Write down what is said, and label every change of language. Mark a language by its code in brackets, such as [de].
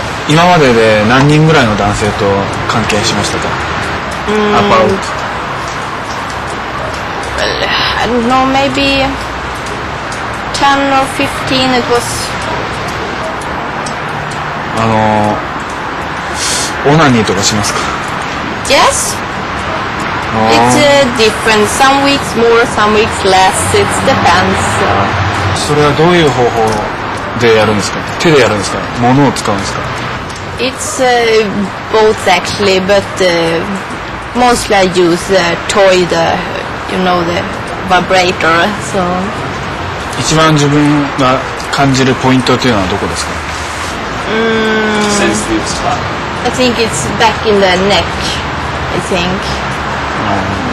[ja] 今までで何人ぐらいの男性と関係しましたか [en] About well, I don't know maybe 10 or 15, it was... [ja] Onani とかしますか? [en] Yes. It's different. Some weeks more, some weeks less. It depends. [ja] それはどういう方法でやるんですか? 手でやるんですか?物を使うんですか? [en] It's both actually, but mostly I use the toy, the, you know, the vibrator, so... [ja] 一番自分が感じるポイントというのはどこですか? [en] I think it's back in the neck, I think.